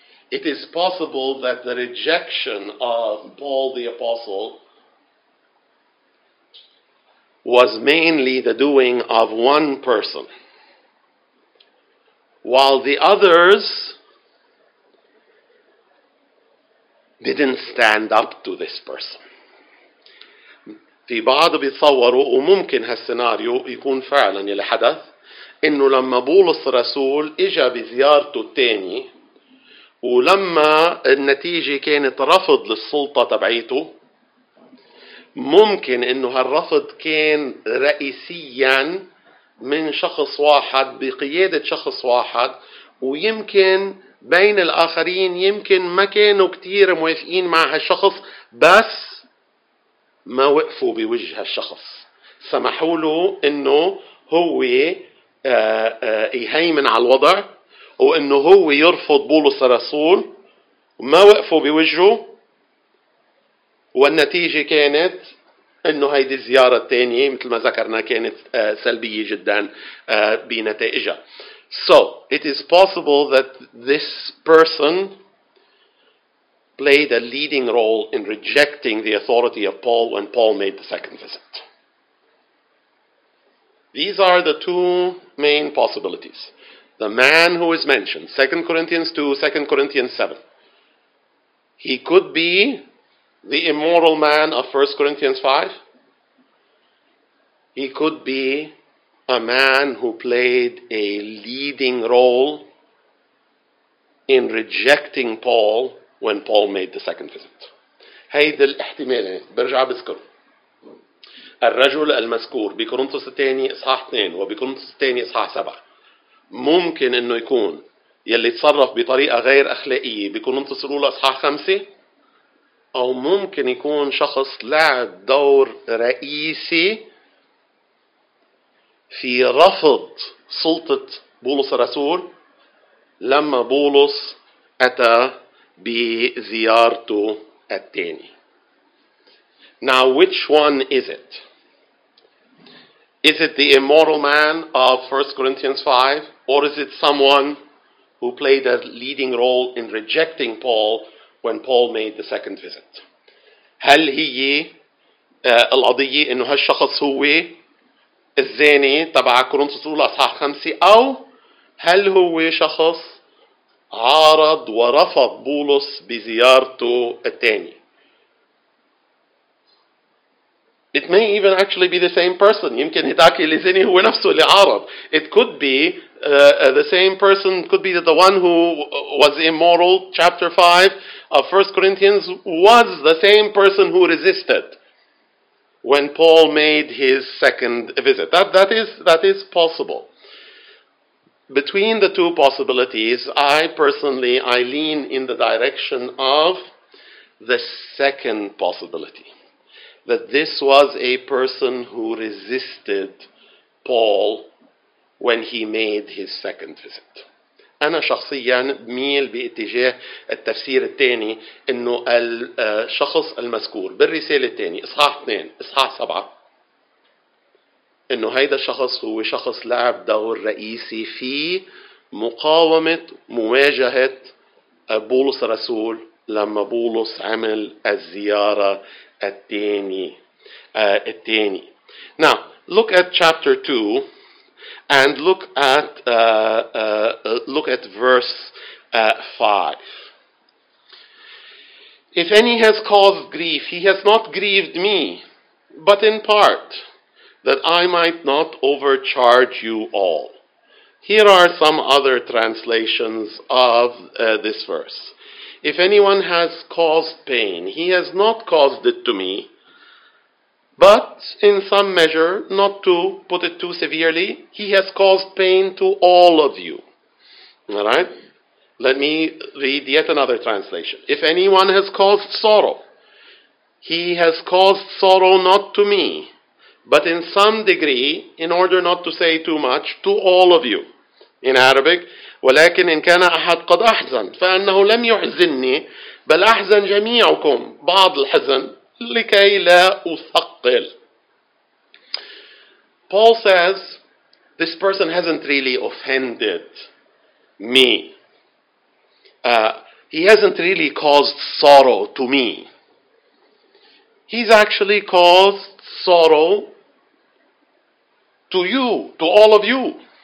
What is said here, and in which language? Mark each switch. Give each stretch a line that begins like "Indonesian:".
English: It is possible that the rejection of Paul the Apostle was mainly the doing of one person, while the others didn't stand up to this person.
Arabic: في بعض بيتصوروا وممكن هالسيناريو يكون فعلا اللي حدث انه لما بولس الرسول اجا بزيارته الثاني ولما النتيجة كانت رفض للسلطة تبعيته ممكن انه هالرفض كان رئيسيا من شخص واحد بقيادة شخص واحد ويمكن بين الاخرين يمكن ما كانوا كتير موافقين مع هالشخص بس ما وقفوا بوجه هالشخص سمحوا له انه هو يهيمن على الوضع وانه هو يرفض بولس الرسول وما وقفوا بوجهه والنتيجة كانت انه هيدي الزيارة الثانية مثل ما ذكرنا كانت سلبية جدا بنتائجها.
English: So it is possible that this person played a leading role in rejecting the authority of Paul when Paul made the second visit. These are the two main possibilities. The man who is mentioned, 2 Corinthians 2, 2 Corinthians 7. He could be the immoral man of 1 Corinthians 5. He could be a man who played a leading role in rejecting Paul when Paul made the second visit.
Arabic: هيدي الاحتمالين برجع بذكر الرجل المذكور بكورنثوس الثاني اصحاح 2 وبكورنثوس الثاني اصحاح 7 ممكن انه يكون يلي تصرف بطريقه غير اخلاقيه بكورنثوس الاولى اصحاح 5 او ممكن يكون شخص لعب دور رئيسي في رفض سلطة بولس الرسول لما بولس أتى بزيارته الثاني.
English: Now which one is it? Is it the immoral man of 1 Corinthians 5 or is it someone who played a leading role in rejecting Paul when Paul made the second visit?
Arabic: هل هي القضية إنه هالشخص هو الزاني تبع كورنثوس الأولى أصحاح 5 أو هل هو شخص عارض ورفض بولس بزيارته الثانية؟
English: It may even actually be the same person.
Arabic: يمكن هداك اللي زاني هو نفسه اللي عارض.
English: It could be the same person. Could be that the one who was immoral, chapter 5 of 1 Corinthians, was the same person who resisted when Paul made his second visit. That is possible. Between the two possibilities, I personally lean in the direction of the second possibility, that this was a person who resisted Paul when he made his second visit. أنا شخصيا ميل باتجاه التفسير الثاني إنه الشخص المذكور بالرسالة الثانية إصحاح 2 إصحاح 7 إنه هيدا الشخص هو شخص لعب دور رئيسي في مقاومة مواجهة بولس الرسول لما بولس عمل الزيارة الثاني. Now look at chapter 2 and look at verse 5. If any has caused grief, he has not grieved me, but in part, that I might not overcharge you all. Here are some other translations of this verse. If anyone has caused pain, he has not caused it to me, but in some measure, not to put it too severely, he has caused pain to all of you. All right? Let me read yet another translation. If anyone has caused sorrow, he has caused sorrow not to me, but in some degree, in order not to say too much, to all of you. In Arabic,
Arabic: ولكن إن كان أحد قد أحزن فأنه لم يحزنني بل أحزن جميعكم بعض الحزن لكي لا أثقل.
English: Paul says, this person hasn't really offended me. He hasn't really caused sorrow to me. He's actually caused sorrow to you, to all of you.